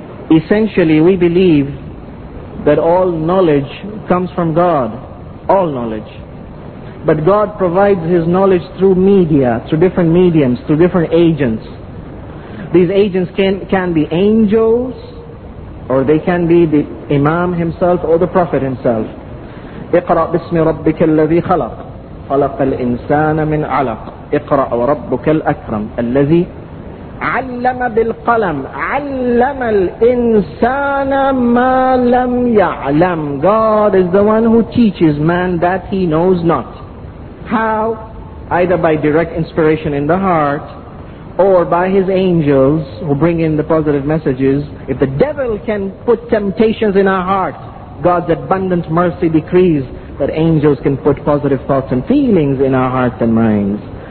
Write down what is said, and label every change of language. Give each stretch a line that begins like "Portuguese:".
English: Essentially, we believe that all knowledge comes from God, all knowledge. But God provides His knowledge through media, through different mediums, through different agents. These agents can be angels, or they can be the Imam himself or the Prophet himself.
Arabic: اقرأ بسم ربك الذي خلق خلق الإنسان من علق اقرأ وربك الأكرم الذي علم بالقلم علم الإنسان ما لم يعلم.
English: God is the one who teaches man that he knows not. How? Either by direct inspiration in the heart, or by his angels who bring in the positive messages. If the devil can put temptations in our heart, God's abundant mercy decrees that angels can put positive thoughts and feelings in our hearts and minds.